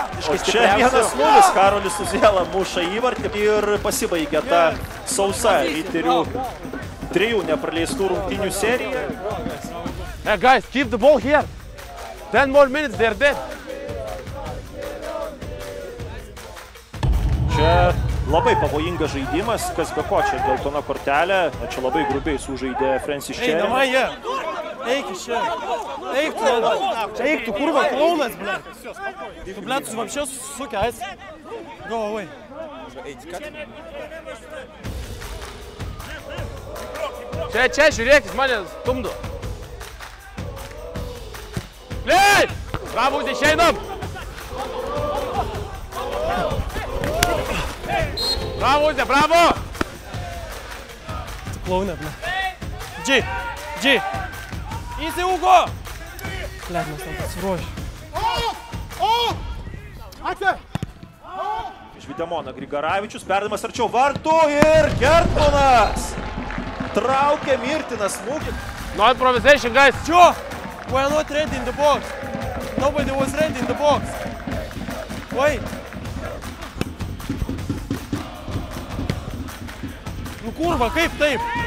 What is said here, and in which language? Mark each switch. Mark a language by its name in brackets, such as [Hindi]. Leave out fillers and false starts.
[Lithuanian] O čia vienas nulis, Karolis Uzėla muša įvartį ir pasibaigia ta sausa riterių trijų nepraleistų rungtynių serija. [English] Hey guys, keep the ball here. 10 more minutes, they're dead. [Lithuanian] Čia labai pavojingas žaidimas, kas be ko čia geltona kortelė. Čia labai grubiai sužaidė Francis Cherry. [English] Hey, yeah. [Lithuanian] Eik iš čia. Eik tu, eik tu, kurva, klaunas, blė. Tu, blė, tu vapščiau susukęs. [English] Go away. [Lithuanian] Čia, čia, žiūrėk, jis mane stumdo. Blė! Bravo, išeinam. Bravo, Uzi, bravo! Tu klaunė, blė. G, G. Įsi, Ugo! Blėt, mes tam pasiruošim. O! O! Ate! Iš Videmona Grigaravičius, perdamas arčiau vartų ir Gertmanas! Traukia mirtinas smūkį. [English] No improvisation, guys! Čiu! We're not ready in the box. Nobody was ready in the box. Wait! [Lithuanian] Nu kurva, kaip taip?